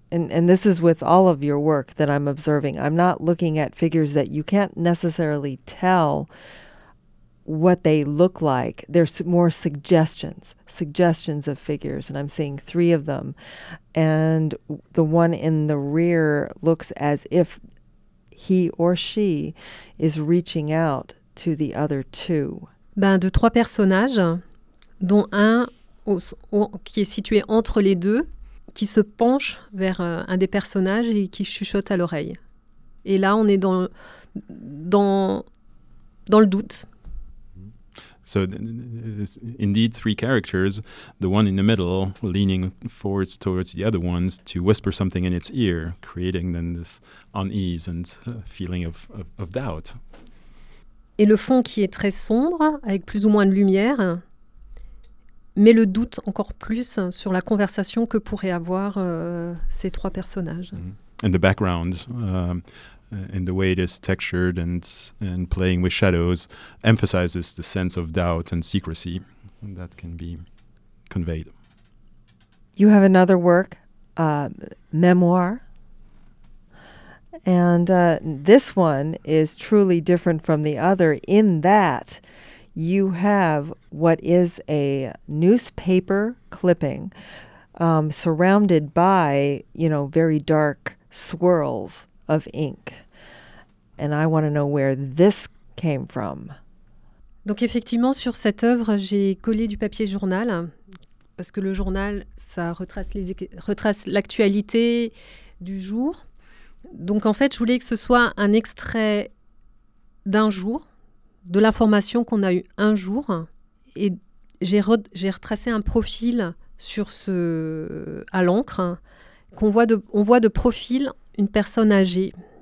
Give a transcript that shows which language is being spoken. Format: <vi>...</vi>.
<en>And this is with all of your work that I'm observing. I'm not looking at figures that you can't necessarily tell what they look like. There's more suggestions of figures. And I'm seeing three of them. And the one in the rear looks as if he or she is reaching out to the other two.</en> <fr>Ben, de trois personnages, dont un qui est situé entre les deux, qui se penche vers un des personnages et qui chuchote à l'oreille. Et là, on est dans le doute.</fr> <en>So, indeed, three characters, the one in the middle, leaning forwards towards the other ones to whisper something in its ear, creating then this unease and feeling of doubt.</en> <fr>Et le fond qui est très sombre, avec plus ou moins de lumière, met le doute encore plus sur la conversation que pourraient avoir ces trois personnages. Mm-hmm.</fr> <en>And the background, and the way it is textured and playing with shadows, emphasizes the sense of doubt and secrecy that can be conveyed. You have another work, Memoir. And this one is truly different from the other in that you have what is a newspaper clipping surrounded by, you know, very dark swirls of ink. And I want to know where this came from.</en> <fr>Donc effectivement, sur cette œuvre, j'ai collé du papier journal, parce que le journal, ça retrace l'actualité du jour. Donc en fait, je voulais que ce soit un extrait d'un jour, de l'information qu'on a eue un jour, et j'ai retracé un profil sur ce à l'encre qu'on voit on voit de profil une personne âgée.</fr>